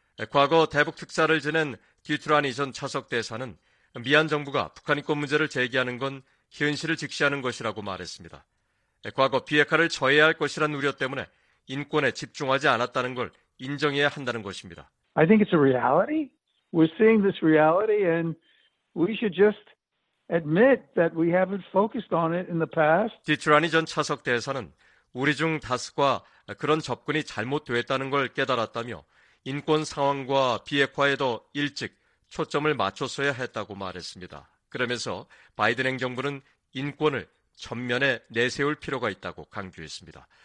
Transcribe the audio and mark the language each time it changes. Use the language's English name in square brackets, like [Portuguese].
[Korean] 과거 대북 특사를 지낸 듀트라니 전 차석 대사는 미얀 정부가 북한 인권 문제를 제기하는 건 현실을 직시하는 것이라고 말했습니다. 과거 비핵화를 저해할 것이란 우려 때문에 인권에 집중하지 않았다는 걸 인정해야 한다는 것입니다. [English] I think it's a reality. We're seeing this reality, and we should just admit that we haven't focused on it in the past. [Korean] 듀트라니 전 차석 대사는 우리 중 다수가 그런 접근이 잘못됐다는 걸 깨달았다며 인권 상황과 비핵화에 더 일찍 초점을 맞췄어야 했다고 말했습니다. 그러면서 바이든 행정부는 인권을 전면에 내세울 필요가 있다고 강조했습니다.